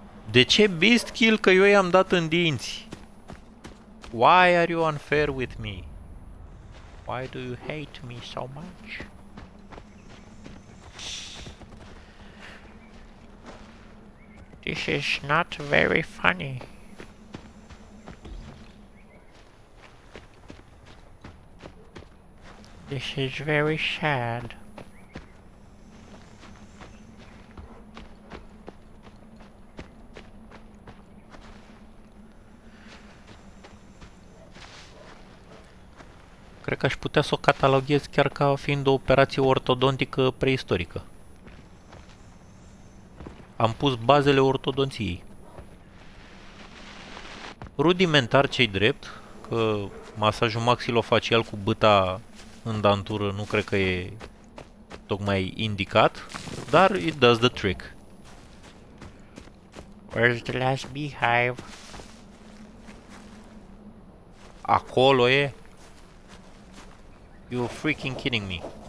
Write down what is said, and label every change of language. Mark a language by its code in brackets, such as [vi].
[ro] De ce [en] beast kill [ro] că eu i-am dat în dinți? [en] Why are you unfair with me? Why do you hate me so much? This is not very funny. This is very sad. [ro] Cred că aș putea să o cataloghez chiar ca fiind o operație ortodontică preistorică. Am pus bazele ortodonției. Rudimentar ce-i drept, că masajul maxilofacial cu bâta în dantură nu cred că e tocmai indicat, dar [en] it does the trick. Where's the last beehive? [ro] Acolo e? [en] You're freaking kidding me.